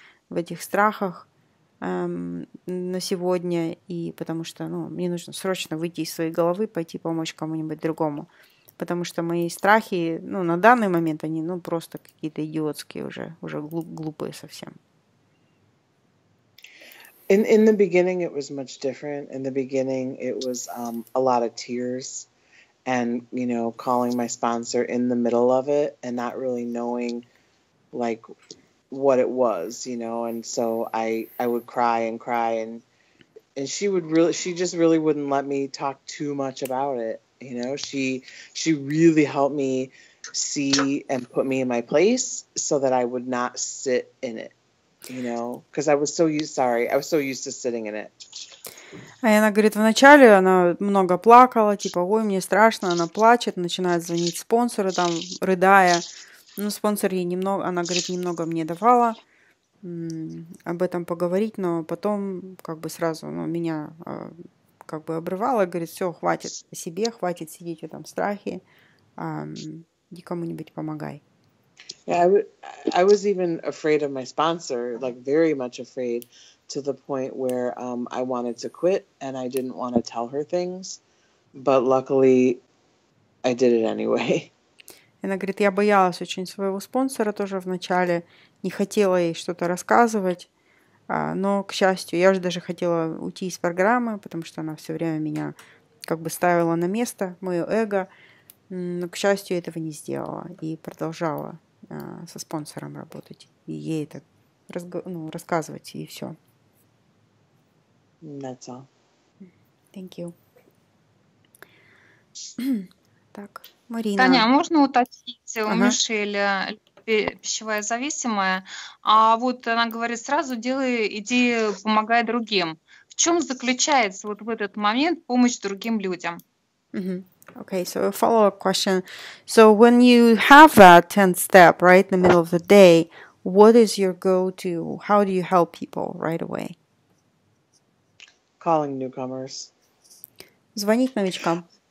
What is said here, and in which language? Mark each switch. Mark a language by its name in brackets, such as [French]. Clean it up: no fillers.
[Russian] в этих страхах на сегодня, и потому что, ну, мне нужно срочно выйти из своей головы, пойти помочь кому-нибудь другому, потому что мои страхи, ну, на данный момент они, ну, просто какие-то идиотские уже глупые совсем. [English] In the beginning, it was much different. In the beginning, it was a lot of tears and, you know, calling my sponsor in the middle of it and not really knowing, like, what it was, you know. And so I would cry and cry, and she just really wouldn't let me talk too much about it, you know. She really helped me see and put me in my place so that I would not sit in it. You know, because I was so used to sitting in it. [Russian] И она говорит, вначале она много плакала, типа, ой, мне страшно, она плачет, начинает звонить спонсору, там, рыдая. Ну, спонсор ей немного, она говорит, немного мне давала об этом поговорить, но потом, как бы, сразу, ну, меня, как бы, обрывала, говорит, все, хватит о себе, хватит сидеть в этом страхе, иди кому-нибудь помогай. [English] Yeah, I was even afraid of my sponsor, like very much afraid, to the point where I wanted to quit and I didn't want to tell her things, but luckily I did it anyway. [Russian] Она говорит, я боялась очень своего спонсора тоже вначале, не хотела ей что-то рассказывать, но, к счастью, я же даже хотела уйти из программы, потому что она все время меня как бы ставила на место, мое эго, но, к счастью, этого не сделала и продолжала со спонсором работать и ей это рассказывать, и все. [English] That's all. Thank you. [Russian] Так, Марина. Таня, а можно уточнить? У Мишеля пищевая зависимая, а вот она говорит, сразу делай, иди помогай другим. В чем заключается вот в этот момент помощь другим людям? [English] Okay, so a follow-up question. So when you have that 10th step, right, in the middle of the day, what is your go-to? How do you help people right away? Calling newcomers. [Russian] Звонить новичкам.